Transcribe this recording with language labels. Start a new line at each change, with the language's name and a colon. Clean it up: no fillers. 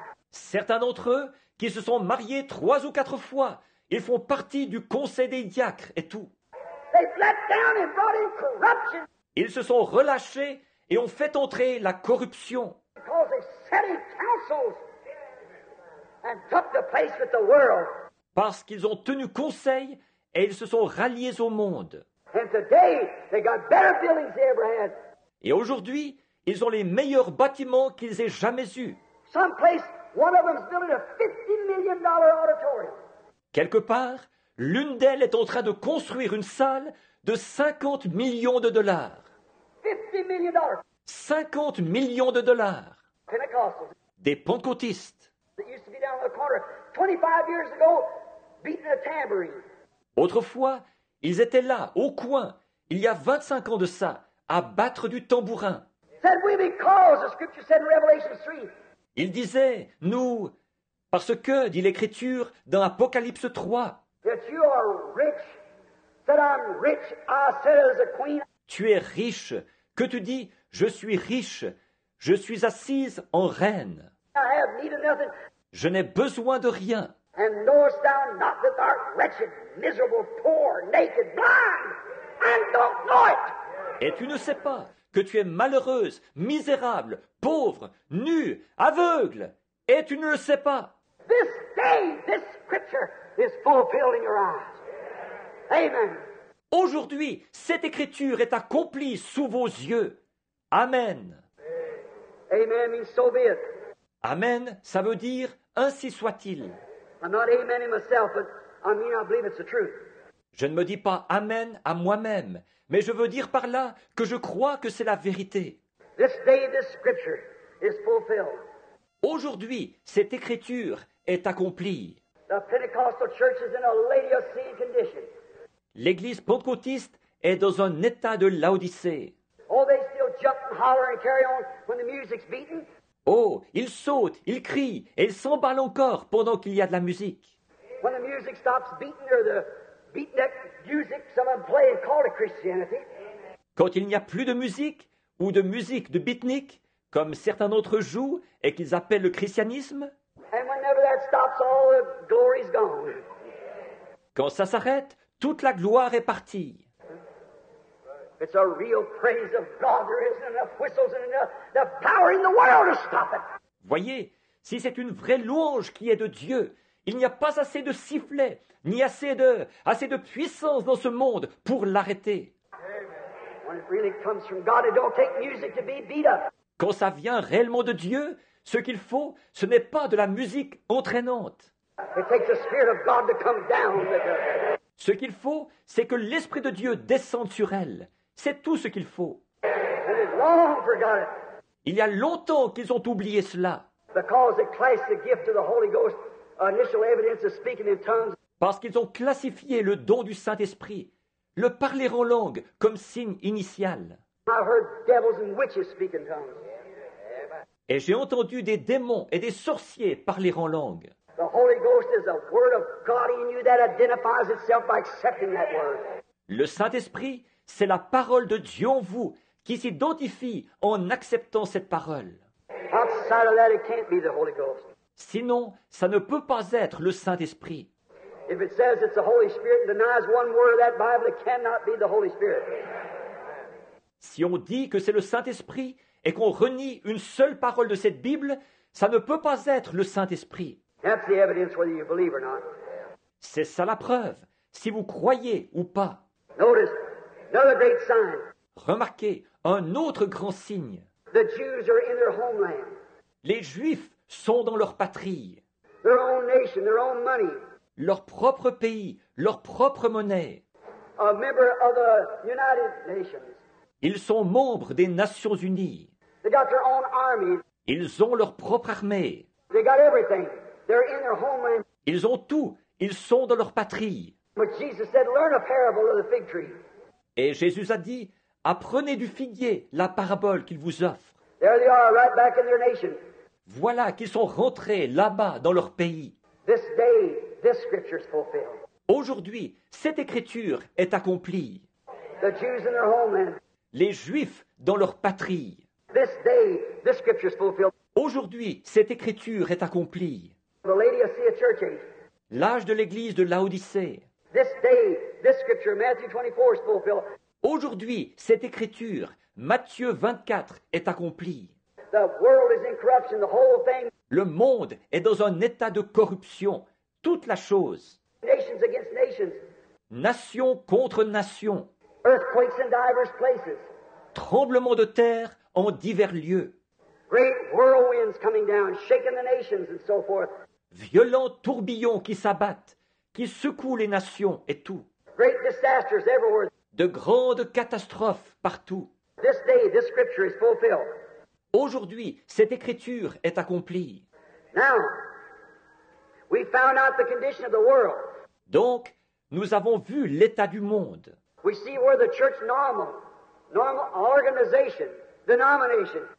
French: Certains d'entre eux, qui se sont mariés 3 ou 4 fois, ils font partie du conseil des diacres et tout.
English: They've let down and brought in corruption.
French: Ils se sont relâchés et ont fait entrer la corruption.
English: Because they set in councils and took the place with the world.
French: Parce qu'ils ont tenu conseil et ils se sont ralliés au monde.
English: And today, they got better buildings than ever had.
French: Et aujourd'hui, ils ont les meilleurs bâtiments qu'ils aient jamais eus.
English: Some place, one of them's building a $50 million auditorium.
French: Quelque part, l'une d'elles est en train de construire une salle de 50 millions de dollars.
English: $50 million.
French: 50 millions de dollars.
English: Pentecostals.
French: Des pentecôtistes.
English: That used to be down on the corner 25 years ago, beating a tambourine.
French: Autrefois, ils étaient là, au coin, il y a 25 ans de ça, à battre du tambourin.
English: Said we because, the scripture said in Revelation 3.
French: Ils disaient, nous, parce que, dit l'Écriture, dans Apocalypse 3,
English: that you are rich, that I'm rich, I said as a queen.
French: Tu es riche, que tu dis, je suis riche, je suis assise en reine.
English: I have need of nothing.
French: Je n'ai besoin de rien.
English: And knowest thou not that thou art wretched, miserable, poor, naked, blind, and don't know it.
French: Et tu ne sais pas que tu es malheureuse, misérable, pauvre, nue, aveugle, et tu ne le sais pas.
English: This day, this scripture is fulfilled in your eyes. Amen.
French: Aujourd'hui, cette écriture est accomplie sous vos yeux. Amen.
English: Amen means so be it.
French: Amen, ça veut dire ainsi soit-il.
English: I'm not amening myself, but I mean I believe it's the truth.
French: Je ne me dis pas amen à moi-même, mais je veux dire par là que je crois que c'est la vérité.
English: This day, this scripture is fulfilled.
French: Aujourd'hui, cette écriture est accomplie.
English: The Pentecostal church is in a Laodicean condition.
French: L'église pentecôtiste est dans un état de Laodicée.
English: Oh, they still jump and holler and carry on when the music's beaten.
French: Oh, ils sautent, ils crient et ils s'emballent encore pendant qu'il y a de la musique.
English: When the music stops beating or the beatnik music, someone play and call it Christianity.
French: Quand il n'y a plus de musique ou de musique de beatnik, comme certains d'entre eux jouent et qu'ils appellent le christianisme.
English: And whenever that stops, all the glory's gone.
French: Quand ça s'arrête, toute la gloire est partie.
English: It's a real praise of God. There isn't enough whistles and enough the power in the world to stop it.
French: Voyez, si c'est une vraie louange qui est de Dieu, il n'y a pas assez de sifflets, ni assez de puissance dans ce monde pour l'arrêter.
English: When it really comes from God, it don't take music to be beat up.
French: Quand ça vient réellement de Dieu, ce qu'il faut, ce n'est pas de la musique entraînante.
English: It takes the Spirit of God to come down with her.
French: Ce qu'il faut, c'est que l'Esprit de Dieu descende sur elle. C'est tout ce qu'il faut.
English: And they long forgot it.
French: Il y a longtemps qu'ils ont oublié cela.
English: Because they classed the gift of the Holy Ghost, initial evidence of speaking in tongues.
French: Parce qu'ils ont classifié le don du Saint-Esprit, le parler en langue, comme signe initial.
English: I heard devils and witches speak in tongues.
French: Et j'ai entendu des démons et des sorciers parler en langue.
English: The Holy Ghost is a word of God in you that identifies itself by accepting that word.
French: Le Saint-Esprit, c'est la parole de Dieu en vous qui s'identifie en acceptant cette parole.
English: Outside of that, it can't be the Holy Ghost.
French: Sinon, ça ne peut pas être le Saint-Esprit.
English: If it says it's the Holy Spirit and denies one word of that Bible, it cannot be the Holy Spirit.
French: Si on dit que c'est le Saint-Esprit et qu'on renie une seule parole de cette Bible, ça ne peut pas être le Saint-Esprit.
English: That's the evidence whether you believe or not.
French: C'est ça la preuve, si vous croyez ou pas.
English: Notice, another great sign.
French: Remarquez, un autre grand signe.
English: The Jews are in their homeland.
French: Les Juifs sont dans leur patrie.
English: Their own nation, their own money.
French: Leur propre pays, leur propre monnaie.
English: A member of the United Nations.
French: Ils sont membres des Nations Unies.
English: They got their own army.
French: Ils ont leur propre armée.
English: They got everything. They're in their homeland.
French: Ils ont tout. Ils sont dans leur patrie.
English: But Jesus said, learn a parable of the fig tree.
French: Et Jésus a dit, apprenez du figuier la parabole qu'il vous offre.
English: There they are, right back in their nation.
French: Voilà qu'ils sont rentrés là-bas dans leur pays.
English: This day, this scripture is fulfilled.
French: Aujourd'hui, cette écriture est accomplie.
English: The Jews in their homeland.
French: Les Juifs dans leur patrie.
English: This day, this scripture is fulfilled.
French: Aujourd'hui, cette écriture est accomplie.
English: The Laodicea church age.
French: L'âge de l'église de Laodicée.
English: This day, this scripture, Matthew 24, is fulfilled.
French: Aujourd'hui, cette écriture, Matthieu 24, est accomplie.
English: The world is in corruption, the whole thing.
French: Le monde est dans un état de corruption, toute la chose.
English: Nations against nations.
French: Nation contre nation.
English: Earthquakes in diverse places.
French: Tremblements de terre en divers lieux.
English: Great whirlwinds coming down, shaking the nations and so forth.
French: Violents tourbillons qui s'abattent, qui secouent les nations et tout.
English: Great disasters everywhere.
French: De grandes catastrophes partout.
English: This day, this scripture is fulfilled.
French: Aujourd'hui, cette écriture est accomplie.
English: Now, we found out the condition of the world.
French: Donc, nous avons vu l'état du monde.
English: We see where the church normal organization, denomination.